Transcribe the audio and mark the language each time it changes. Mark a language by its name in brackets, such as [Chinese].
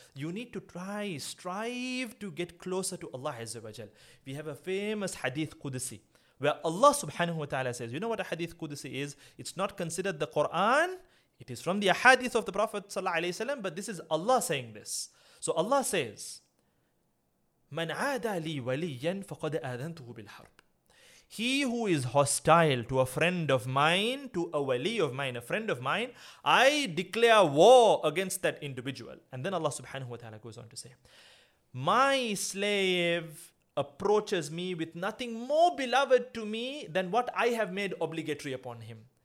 [English] You need to try, strive to get closer to Allah azza wa jal. We have a famous hadith Qudsi, where Allah subhanahu wa ta'ala says, you know what a hadith Qudsi is? It's not considered the Quran. It is from the hadith of the Prophet sallallahu alayhi wa sallam, but this is Allah saying this. So Allah says, [Arabic] مَنْ عَادَ لِي وَلِيًّا فَقَدْ أَذَنْتُهُ بِالْحَرْبِ. [English] He who is hostile to a friend of mine, to a wali of mine, a friend of mine, I declare war against that individual. And then Allah subhanahu wa ta'ala goes on to say, my slave approaches me with nothing more beloved to me than what I have made obligatory upon him.